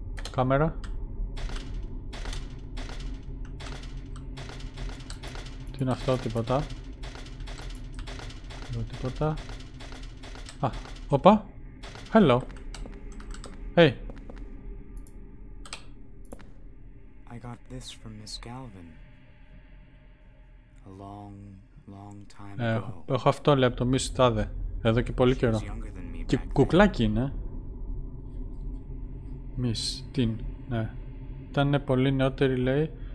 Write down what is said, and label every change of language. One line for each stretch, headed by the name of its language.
Greek: Κάμερα. Τι είναι αυτό, τίποτα. Εδώ τίποτα. Α, όπα.
English: Hello. Hey. got this from Miss Galvin. A long, long time ago.
Greek: Έχω αυτό, λέει, από το Miss Tade. Εδώ και πολύ καιρό. Και κουκλάκι είναι. Miss, την, ναι. Ήταν πολύ νεότερη, λέει.